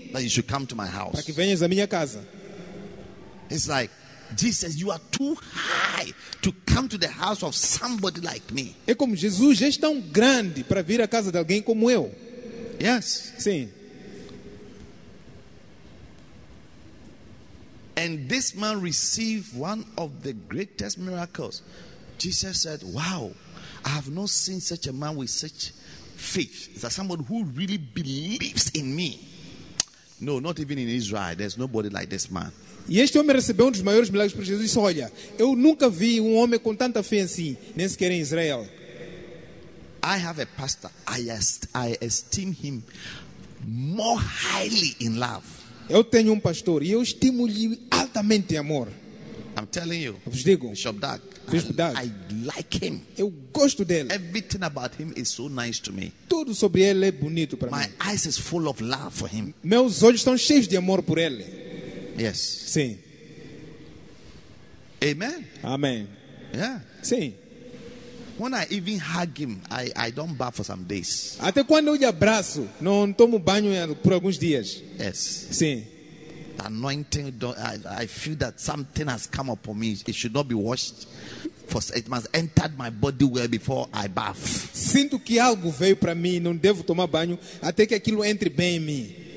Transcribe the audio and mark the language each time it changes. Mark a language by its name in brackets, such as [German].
[English] That you should come to my house. [Portuguese] Para que venhas à minha casa. [English] It's like Jesus, you are too high to come to the house of somebody like me. [Portuguese] É como Jesus, és tão grande para vir à casa de alguém como eu. [English] Yes. [Portuguese] Sim. [English] And this man received one of the greatest miracles. Jesus said, wow, I have not seen such a man with such faith. Is that someone who really believes in me? No, not even in Israel. There's nobody like this man. [Portuguese] E este homem recebeu um dos maiores milagres por Jesus. Disse, olha, eu nunca vi um homem com tanta fé assim, nem sequer em Israel. [English] I have a pastor. I esteem him more highly in love. [Portuguese] Eu tenho um pastor e eu estimo-lhe altamente em amor. [English] I'm telling you, [Portuguese] eu vos digo, [English] Bishop Doug, I like him. [Portuguese] Eu gosto dele. [English] Everything about him is so nice to me. [Portuguese] Tudo sobre ele é bonito para mim. [English] My eyes is full of love for him. [Portuguese] Meus olhos estão cheios de amor por ele. [English] Yes. [Portuguese] Sim. [English] Amen. [Portuguese] Amém. [English] Yeah. [Portuguese] Sim. [English] When I even hug him, I don't bath for some days. [Portuguese] Até quando eu lhe abraço, não tomo banho por alguns dias. [English] Yes. [Portuguese] Sim. [English] The anointing, I feel that something has come upon me. It should not be washed. It must enter my body well before I bath. [Portuguese] Sinto que algo veio para mim, não devo tomar banho até que aquilo entre bem em mim.